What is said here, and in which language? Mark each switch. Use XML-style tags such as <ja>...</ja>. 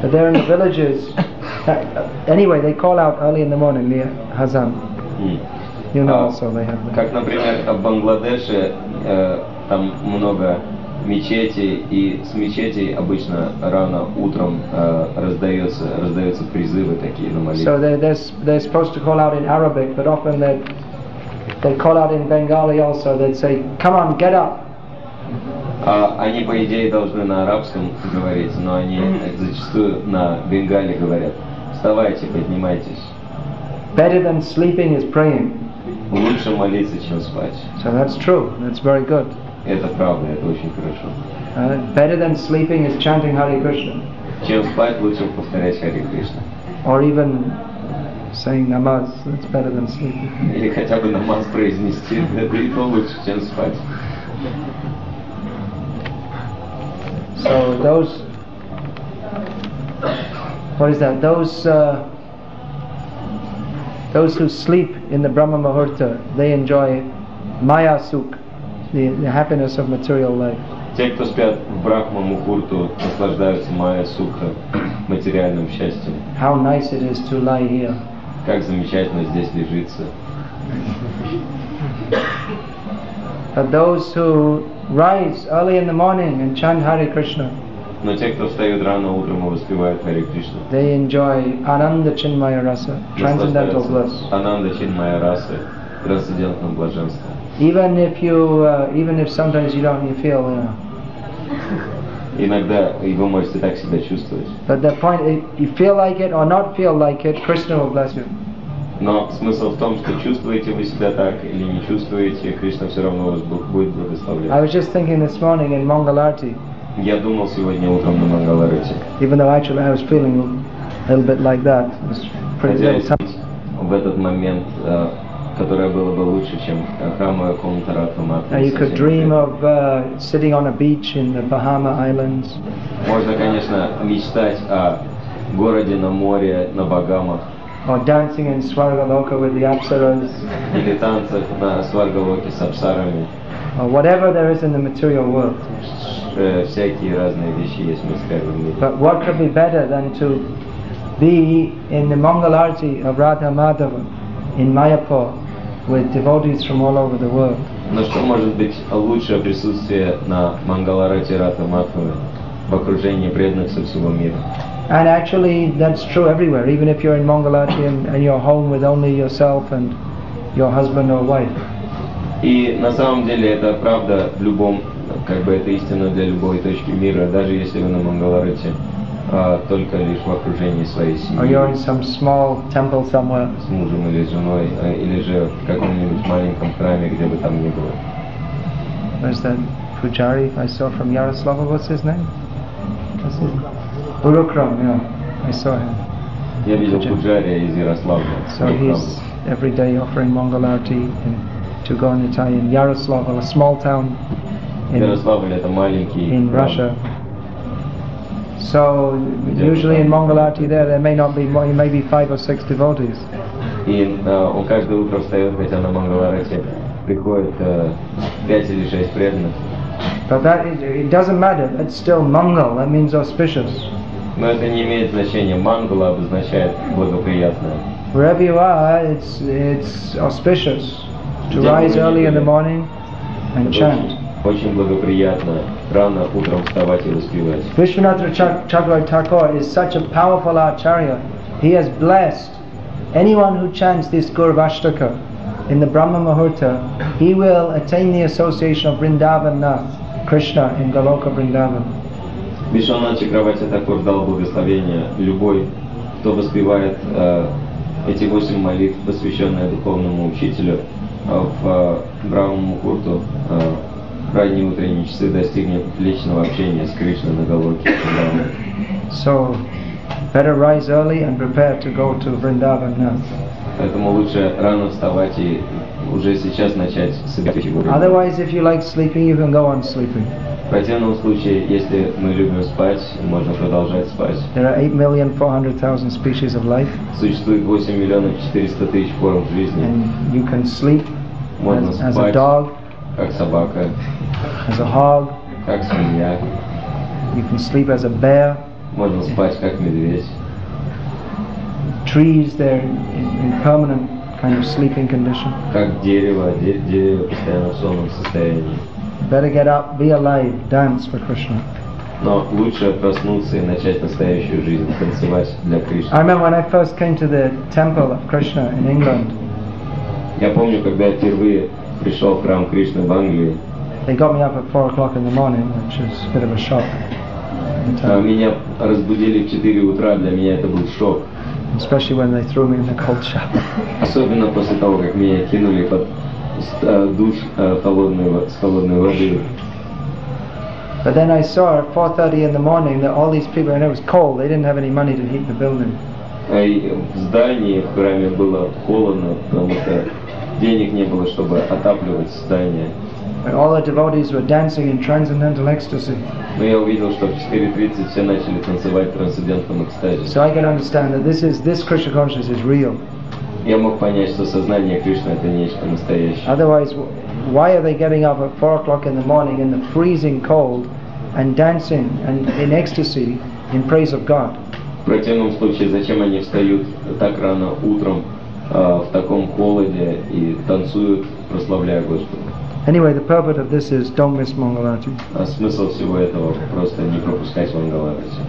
<en>But there in the villages, anyway, they call out early in the morning, the Hazan. You know also they have that.</en> <ru>Как, например, в Бангладеше там много мечетей, и с мечетей обычно рано утром раздаются призывы такие на молитву.</ru> <en>So they're supposed to call out in Arabic, but often they call out in Bengali also. They'd say, "Come on, get up."</en> <ru>Они по идее должны на арабском говорить, но они зачастую на бенгали говорят. Вставайте, поднимайтесь.</ru> <en>Better than sleeping is praying.</en> <ru>Лучше молиться, чем спать.</ru> <en>So that's true. That's very good.</en> <ru>Это правда, это очень хорошо.</ru> <en>Better than sleeping is chanting Hare Krishna.</en> <ru>Чем спать, лучше повторять Hare Krishna.</ru> <en>Or even saying namaz, that's better than sleeping.</en> <ru>Или хотя бы намаз произнести, это и то лучше, чем спать.</ru> <en>So those who sleep in the Brahma Muhurta, they enjoy Maya Sukh. The happiness of material life.</en> <ru>Те, кто спят в Брахма Мухурту, наслаждаются Майя Сукха, материальным счастьем.</ru> <en>How nice it is to lie here.</en> <ru>Как замечательно здесь лежится.</ru> <en>But those who rise early in the morning and chant Hare Krishna.</en> <ru>Но те, кто встают рано утром и воспевают Hare Krishna.</ru> <en>They enjoy Ananda Chinmaya Rasa, transcendental bliss.</en> <ru>Ананда Чинмая Раса, трансцендентное блаженство.</ru> <en>Even if sometimes you don't, you feel, you know.</en> <ru>Иногда вы можете так себя чувствовать.</ru> <en>But the point, you feel like it or not feel like it, Krishna will bless you.</en> <ru>Но смысл в том, что чувствуете вы себя так или не чувствуете, Кришна все равно вас будет благословлять.</ru> <en>I was just thinking this morning in Mangalarti.</en> <ru>Я думал сегодня утром на Мангаларти.</ru> <en>Even though actually I was feeling a little bit like that, it was pretty good.</en> <ru>В этот момент. Которое было бы лучше, чем храмовая комната Ратхаматы.</ru> <en>You could dream of sitting on a beach in the Bahama Islands.</en> <ru>Можно, конечно, мечтать о городе на море, на Багамах.</ru> <en>Or dancing in Swargaloka with the Apsaras.</en> <ru>Или танцах на Сваргалоке с Апсарами.</ru> <en>Or whatever there is in the material world.</en> <ru>Всякие разные вещи есть в материальном мире.</ru> <en>But what could be better than to be in the Mangalarti of Radha Madhava? In Mayapur, with devotees from all over the world.</en> <ru>Но что может быть лучшее присутствие на Мангаларати Радха Мадхаве в окружении преданных со всего мира?</ru> <en>And actually, that's true everywhere. Even if you're in Mangalarati and you're home with only yourself and your husband or wife.</en> <ru>И на самом деле это правда в любом, как бы это истина для любой точки мира, даже если вы на Мангаларате, только лишь в окружении своей семьи.</ru> <en>Or you're in some small temple somewhere.</en> <ru>С мужем или женой, или же в каком-нибудь маленьком храме, где бы там ни было.</ru> <en>Where's that pujari I saw from Yaroslava? What's his name? What's his name? Burukram, yeah. I saw him.</en> <ru>Я видел пуджари из Ярославля.</ru> <en>So he's every day offering Mangalarti in Tugarnitai in Yaroslava, a small town in Russia. So usually in Mangalarti there may not be more, maybe 5 or 6 devotees.</en> <ru>Он каждое утро встает, хотя на Мангаларате приходит 5 или 6 преданных.</ru> <en>But that is, it doesn't matter. It's still Mangal. That means auspicious.</en> <ru>Но это не имеет значения. Мангала обозначает благоприятное.</ru> <en>Wherever you are, it's auspicious to rise early in the morning and chant.</en> <ru>Очень благоприятно рано утром вставать и воспевать.</ru> <en>Vishwanatha Chakravarti Thakur is such a powerful acharya. He has blessed anyone who chants this Gaura Vashtaka in the Brahma Muhurta. He will attain the association of Vrindavan Nath, Krishna in Goloka Vrindavan.</en> <ru>Vishwanatha Chakravarti Thakur дал благословение любой, кто воспевает эти 8 молитв, посвященные духовному учителю, в Брахма Мухурту ранние утренние часы достигнет личного общения с Кришной на Голоке.</ru> <en>So, better rise early and prepare to go to Vrindavan Nath.</en> <ru>Поэтому лучше рано вставать и уже сейчас начать собирать его.</ru> <en>Otherwise, if you like sleeping, you can go on sleeping.</en> <ru>В противном случае, если мы любим спать, можно продолжать спать.</ru> <en>There are 8,400,000 species of life.</en> <ru>Существует 8,400,000 форм жизни.</ru> <en>And you can sleep as a dog.</en> <ru>Как собака.</ru> <en>As a hog.</en> <ru>Как свинья.</ru> <en>You can sleep as a bear.</en> <ru>Можно спать как медведь.</ru> <en>Trees, they're in permanent kind of sleeping condition.</en> <ru>Как дерево, дерево постоянно в сонном состоянии.</ru> <en>Better get up, be alive, dance for Krishna.</en> <ru>Но лучше проснуться и начать настоящую жизнь, танцевать для Кришны.</ru> <en>I remember when I first came to the temple of Krishna in England.</en> <ru>Я помню, когда я впервые пришел в храм Кришны в Англии.</ru> <en>They got me up at 4 o'clock in the morning, which is a bit of a shock.</en> <ru>Меня разбудили в 4 утра, для меня это был шок.</ru> <en>Especially when they threw me in the cold shower.</en> <ru>Особенно после того, как меня кинули под душ с холодной водой.</ru> <en>But then I saw at 4:30 in the morning that all these people, and it was cold, they didn't have any money to heat the building.</en> <ru>И в здании, в храме было холодно, потому что денег не было, чтобы отапливать здание.</ru> <en>And all the devotees were dancing in transcendental ecstasy.</en> <ru>Но я увидел, что в 4:30 все начали танцевать в трансцендентном экстазе.</ru> <en>So I can understand that this Krishna consciousness is real.</en> <ru>Я мог понять, что сознание Кришны это нечто настоящее.</ru> <en>Otherwise, why are they getting up at 4 o'clock in the morning in the freezing cold and dancing and in ecstasy in praise of God?</en> <ru>В противном случае, зачем они встают так рано утром в таком холоде и танцуют, прославляя Господа?</ru> <en>Anyway, the purpose of this is don't miss Mangalarti.</en> <ru>А смысл всего этого просто не пропускать Мангаларти.</ru>